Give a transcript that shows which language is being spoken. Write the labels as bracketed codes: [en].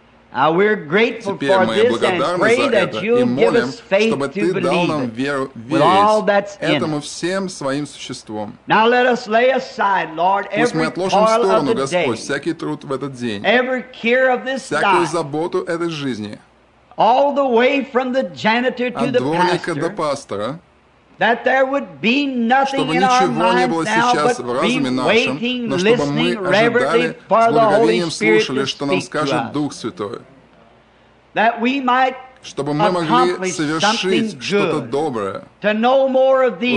[ru] Теперь мы благодарны за это и молим, чтобы Ты дал нам веру верить этому всем своим существом. Пусть мы отложим в сторону, Господь, всякий труд в этот день, всякую заботу этой жизни, [en] all the way from the janitor to the pastor, [ru] от дворника до пастора, [en] that there would be nothing [ru] чтобы ничего не было сейчас в разуме нашем, но чтобы мы ожидали, с благоговением слушали, что нам скажет Дух Святой, [en] that we might [ru] чтобы мы могли совершить что-то доброе, [en] to know more of thee,